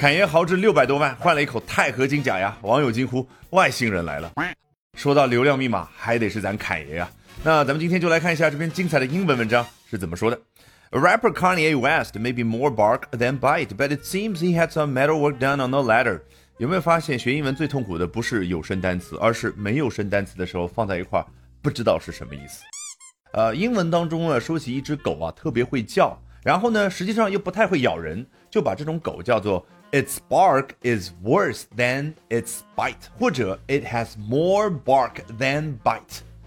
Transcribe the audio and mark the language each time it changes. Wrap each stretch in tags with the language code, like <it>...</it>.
<zh>侃爷豪掷600多万换了一口钛合金假牙，网友惊呼外星人来了。说到流量密码，还得是咱侃爷啊。那咱们今天就来看一下这篇精彩的英文文章是怎么说的。</zh> <en>Rapper Kanye West may be more bark than bite, but it seems he had some metal work done on the letter.</en> <zh>有没有发现学英文最痛苦的不是有声单词，而是没有声单词的时候放在一块不知道是什么意思。英文当中啊，说起一只狗啊特别会叫，然后呢实际上又不太会咬人，就把这种狗叫做</zh> <en>its bark is worse than its bite,</en> <zh>或者</zh> <en>it has more bark than bite。</en>